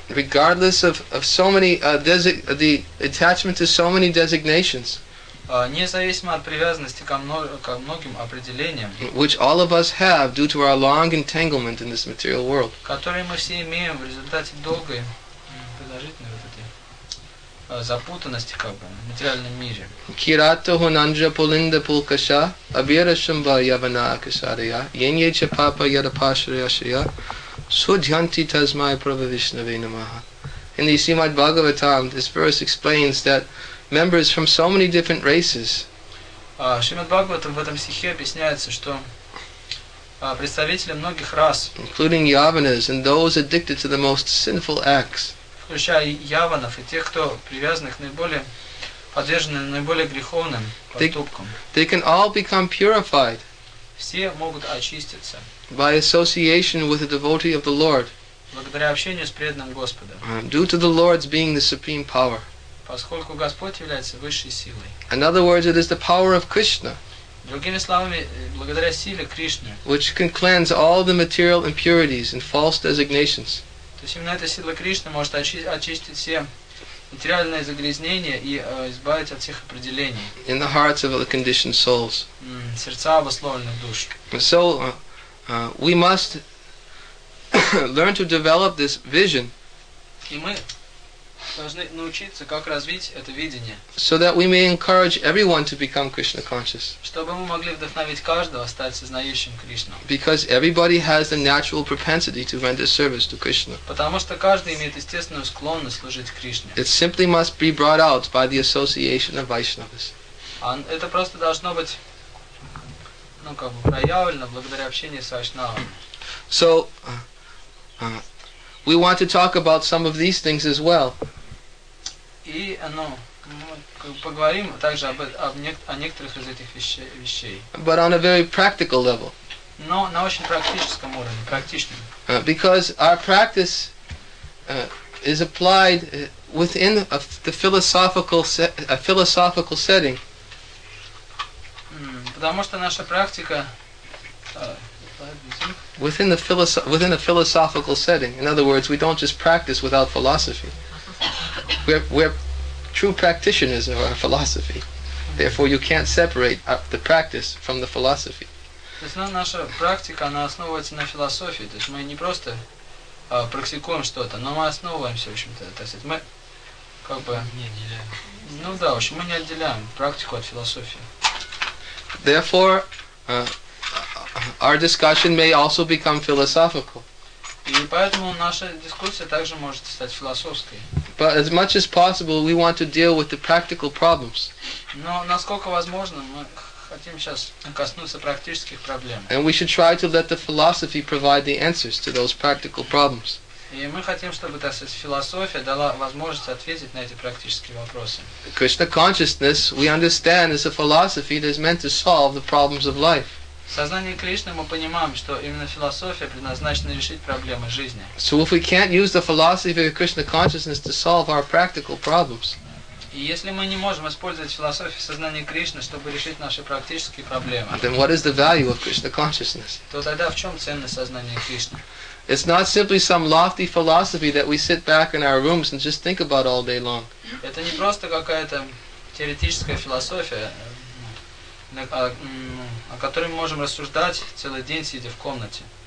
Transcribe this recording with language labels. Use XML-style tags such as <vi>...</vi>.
<en>Regardless of so many the attachment to so many designations.</en> <ru>независимо от привязанности ко многим определениям,</ru> <en>which all of us have due to our long entanglement in this material world,</en> <ru>которые мы все имеем в результате долгой продолжительной вот этой запутанности как бы в материальном мире.</ru> <sa>Кирато хунанджа пулинда пулкаша абирашамба явана акасария яньяча папа ядапашриашия судьянти тазмай правовишнаве намаха.</sa> <en>In the Srimad Bhagavatam, this verse explains that members from so many different races.</en> <ru>Srimad Bhagavatam в этом стихе объясняется, что представители многих рас,</ru> <en>including yavanas and those addicted to the most sinful acts,</en> <ru>включая яванов и тех, кто привязаны к наиболее подвержены наиболее греховным поступкам,</ru> <en>they can all become purified.</en> <ru>Все могут очиститься</ru> <en>by association with a devotee of the Lord.</en> <ru>Благодаря общению с преданным Господом.</ru> <en>Due to the Lord's being the supreme power.</en> <ru>Поскольку Господь является высшей силой.</ru> <en>In other words, it is the power of Krishna.</en> <ru>Другими словами, благодаря силе Кришны.</ru> <en>Which can cleanse all the material impurities and false designations.</en> <ru>То есть именно эта сила Кришны может очистить все материальные загрязнения и избавить от всех определений.</ru> <en>In the hearts of the conditioned souls.</en> <ru>Сердца обусловленных душ.</ru> <en>So we must learn to develop this vision.</en> <ru>И мы должны научиться, как развить это видение.</ru> <en>So that we may encourage everyone to become Krishna conscious.</en> <ru>Чтобы мы могли вдохновить каждого стать сознающим Кришну.</ru> <en>Because everybody has the natural propensity to render service to Krishna.</en> <ru>Потому что каждый имеет естественную склонность служить Кришне.</ru> <en>It simply must be brought out by the association of Vaishnavas.</en> <ru>Это просто должно быть, ну как бы проявлено благодаря общению с Вайшнавами.</ru> <en>So, we want to talk about some of these things as well.</en> <ru>И, ну, мы поговорим также о некоторых из этих вещей.</ru> <en>But on a very practical level.</en> <ru>Но на очень практическом уровне, практичном.</ru> <en>Because our practice is applied within the philosophical setting.</en> <ru>Потому что наша практика</ru> <en>within a philosophical setting. In other words, we don't just practice without philosophy. We're true practitioners of our philosophy. Therefore, you can't separate the practice from the philosophy.</en> <ru>То есть наша практика, она основывается на философии. То есть мы не просто практикуем что-то, но мы основываемся, в общем-то. То есть мы как бы не отделяем. Ну да, в общем, мы не отделяем практику от философии.</ru> <en>Therefore, our discussion may also become philosophical.</en> <ru>И поэтому наша дискуссия также может стать философской.</ru> <en>But as much as possible, we want to deal with the practical problems.</en> <ru>Но насколько возможно, мы хотим сейчас коснуться практических проблем.</ru> <en>And we should try to let the philosophy provide the answers to those practical problems.</en> <ru>И мы хотим, чтобы так сказать, философия дала возможность ответить на эти практические вопросы.</ru> <en>Krishna consciousness, we understand, is a philosophy that is meant to solve the problems of life.</en> <ru>Сознание Кришны мы понимаем, что именно философия предназначена решить проблемы жизни.</ru> <en>So if we can't use the philosophy of Krishna consciousness to solve our practical problems.</en> <ru>И если мы не можем использовать философию сознания Кришны, чтобы решить наши практические проблемы.</ru> <en>Then what is the value of Krishna consciousness?</en> <ru>То тогда в чем ценность сознания Кришны?</ru> <en>It's not simply some lofty philosophy that we sit back in our rooms and just think about all day long.</en> <ru>Это не просто какая-то теоретическая философия, о которой мы можем рассуждать целый день, сидя в комнате.</ru>